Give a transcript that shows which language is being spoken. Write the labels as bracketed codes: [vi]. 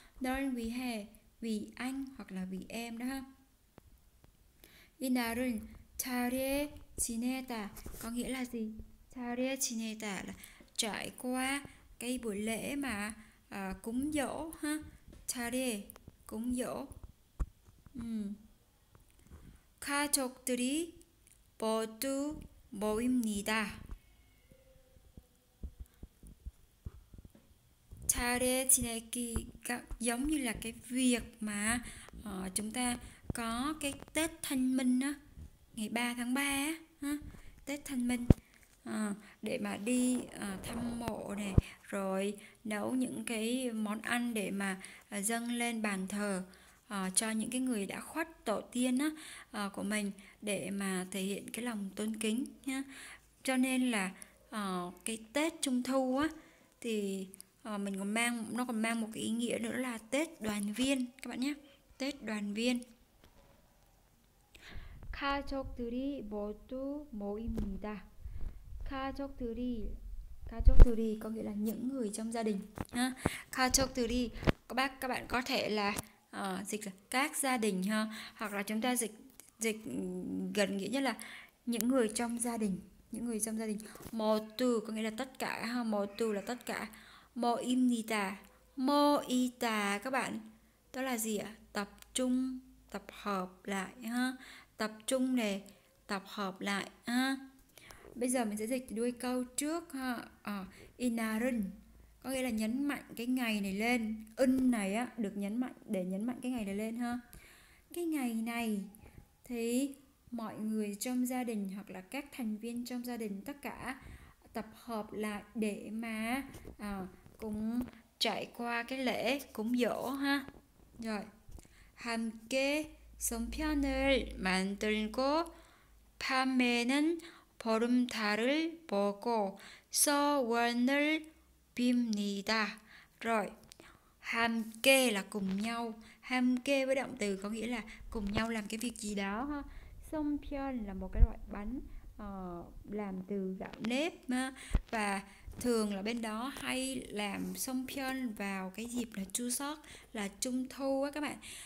[vi] Nơn vì hè, vì anh hoặc là vì em đó ha. [ko] 이날은 차례 지내다 [vi] có nghĩa là gì? [ko] 차례 지내다 [vi] là trải qua cái buổi lễ mà cúng dỗ ha. 차례 cúng dỗ. [ko] 가족들이 모두 모입니다. 차례 지내기가 [vi] giống như là cái việc mà chúng ta có cái Tết Thanh Minh á, ngày 3 tháng 3 á, Tết Thanh Minh để mà đi thăm mộ này, rồi nấu những cái món ăn để mà dâng lên bàn thờ cho những cái người đã khuất tổ tiên á, của mình để mà thể hiện cái lòng tôn kính nhá. Cho nên là cái Tết Trung thu á thì mình còn mang nó còn mang một cái ý nghĩa nữa là Tết đoàn viên các bạn nhé. Tết đoàn viên. [ko] 가족들이 모두 모입니다. 가족들이 가족들이 [vi] có nghĩa là những người trong gia đình. [ko] 가족들이 [vi] các bạn có thể là dịch là các gia đình ha, hoặc là chúng ta dịch gần nghĩa nhất là những người trong gia đình, những người trong gia đình. 모두 có nghĩa là tất cả ha, 모두 là tất cả. [ko] 모입니다. 모이다 [vi] các bạn. Đó là gì ạ? Tập trung, tập hợp lại ha. Tập trung này, tập hợp lại ha. Bây giờ mình sẽ dịch đuôi câu trước ha. Inarun có nghĩa là nhấn mạnh cái ngày này lên. Un này á được nhấn mạnh để nhấn mạnh cái ngày này lên ha. Cái ngày này thì mọi người trong gia đình hoặc là các thành viên trong gia đình tất cả tập hợp lại để mà cùng trải qua cái lễ cúng dỗ ha. Rồi. [ko] 함께 송편을 만들고 밤에는 보름달을 보고 서원을 빕니다. [vi] Rồi. 함께 là cùng nhau. 함께 với động từ có nghĩa là cùng nhau làm cái việc gì đó ha. 송편 là một cái loại bánh làm từ gạo nếp ha. Và thường là bên đó hay làm 송편 vào cái dịp là Chuseok, là Trung thu á các bạn.